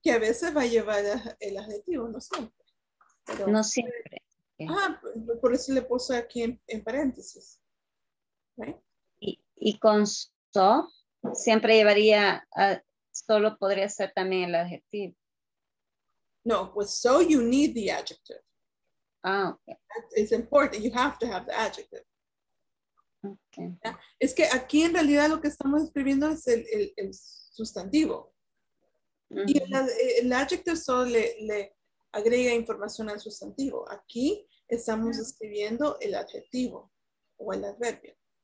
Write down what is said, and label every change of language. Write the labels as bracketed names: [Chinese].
[Spanish] Que a veces va a llevar el adjetivo, no siempre. Pero, no siempre. Ah, por eso le puse aquí en paréntesis. Okay. Y con so. Siempre llevaría, solo podría ser también el adjetivo. [English] No, with so you need the adjective. Ah, okay. It's important, you have to have the adjective. Okay. Yeah. [Spanish] Es que aquí en realidad lo que estamos escribiendo es el sustantivo. Mm-hmm. Y el adjective solo le agrega información al sustantivo. Aquí estamos escribiendo el adjetivo o el adverbio.